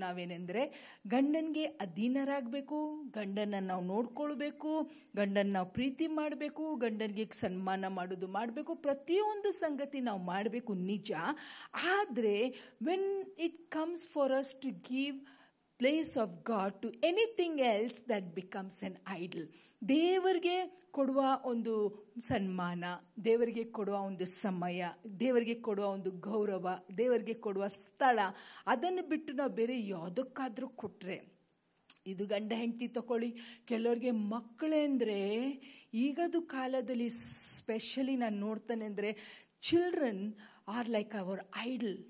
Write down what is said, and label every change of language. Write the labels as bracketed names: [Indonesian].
[Kannada] ನಾವೇನೆಂದರೆ, ಗಂಡನಿಗೆ ಅಧೀನರಾಗಬೇಕು, ಗಂಡನನ್ನು ನಾವು ನೋಡ್ಕೊಳ್ಬೇಕು, ಗಂಡನ ನಾವು ಪ್ರೀತಿ ಮಾಡಬೇಕು, ಗಂಡನಿಗೆ ಸನ್ಮಾನ ಮಾಡೋದು ಮಾಡಬೇಕು, ಪ್ರತಿಯೊಂದು ಸಂಗತಿ ನಾವು ಮಾಡಬೇಕು ನಿಜ. ಆದರೆ [English] When it comes for us to give place of God to anything else that becomes an idol. [Kannada] ದೇವರಿಗೆ ಕೊಡುವ ಒಂದು ಸನ್ಮಾನ, ದೇವರಿಗೆ ಕೊಡುವ ಒಂದು ಸಮಯ, ದೇವರಿಗೆ ಕೊಡುವ ಒಂದು ಗೌರವ, ದೇವರಿಗೆ ಕೊಡುವ ಸ್ಥಳ, ಅದನ್ನು ಬಿಟ್ಟು ನಾವು ಬೇರೆ ಯಾವುದಕ್ಕಾದರೂ ಕೊಟ್ಟರೆ, ಇದು ಗಂಡ ಹೆಂಡತಿ ತಗೊಳ್ಳಿ, ಕೆಲವ್ರಿಗೆ ಮಕ್ಕಳೆಂದರೆ ಈಗದು ಕಾಲದಲ್ಲಿ ಸ್ಪೆಷಲಿ ನಾನು ನೋಡ್ತೇನೆ ಅಂದರೆ [English] Children are like our idol.